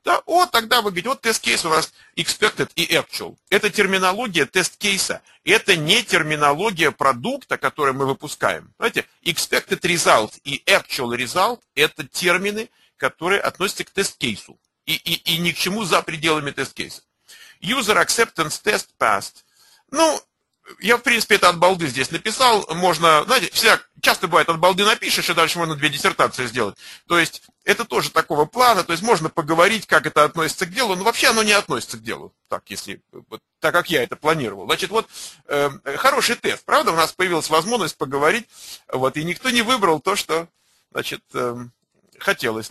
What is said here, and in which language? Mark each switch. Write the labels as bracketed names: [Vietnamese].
[Russian] Да, вот тогда вы говорите, вот тест-кейс у вас expected и actual. Это терминология тест-кейса. Это не терминология продукта, который мы выпускаем. Понимаете, expected result и actual result – это термины, которые относятся к тест-кейсу. И ни к чему за пределами тест-кейса. [English] User acceptance test passed. [Russian] Ну, я, в принципе, это от балды здесь написал. Можно, знаете, всегда, часто бывает, от балды напишешь, и дальше можно две диссертации сделать. То есть, это тоже такого плана, то есть, можно поговорить, как это относится к делу, но вообще оно не относится к делу, так, если, вот, так как я это планировал. Значит, вот, хороший тест, правда, у нас появилась возможность поговорить, вот, и никто не выбрал то, что, значит, хотелось.